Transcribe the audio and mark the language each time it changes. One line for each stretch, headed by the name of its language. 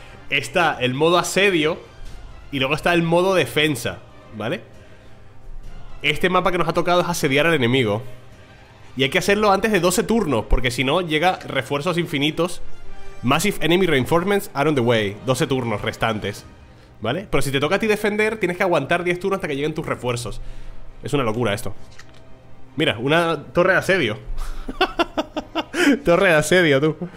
Spanish: Está el modo asedio y luego está el modo defensa, ¿vale? Este mapa que nos ha tocado es asediar al enemigo. Y hay que hacerlo antes de 12 turnos, porque si no, llega refuerzos infinitos.
English: Massive enemy reinforcements are on the way.
Spanish: 12 turnos restantes, ¿vale? Pero si te toca a ti defender, tienes que aguantar 10 turnos hasta que lleguen tus refuerzos. Es una locura esto. Mira, una torre de asedio. Torre de asedio, tú.